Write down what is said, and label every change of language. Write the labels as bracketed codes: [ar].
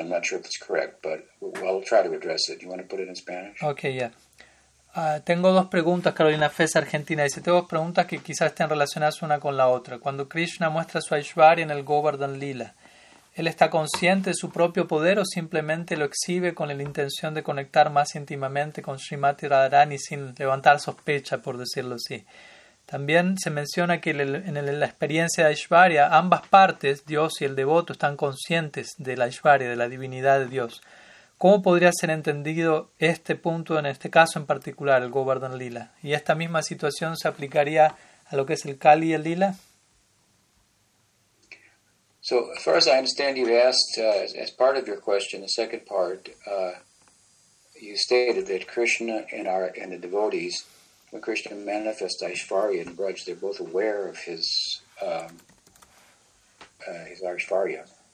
[en] I'm not sure if it's correct, but I'll try to address it. Do you want to put it in Spanish? Okay, yeah. [es] Tengo dos preguntas, Carolina Fez, Argentina. Dice, tengo dos preguntas que quizás estén relacionadas una con la otra. Cuando Krishna muestra su Aishwarya en el Govardhan Lila, ¿él está consciente de su propio poder o simplemente lo exhibe con la intención de conectar más íntimamente con Srimati Radharani sin levantar sospecha, por decirlo así? También se menciona que en la experiencia de Aishwarya, ambas partes, Dios y el devoto, están conscientes de la Aishwarya, de la divinidad de Dios. ¿Cómo podría ser entendido este punto en este caso en particular, el Govardhan Lila? ¿Y esta misma situación se aplicaría a lo que es el Kali y el Lila? [en] So, as far as I understand, you asked, as part of your question, the second part, you stated that Krishna and the devotees, when Krishna manifests Aishwarya and Braj, they're both aware of his Aishwarya.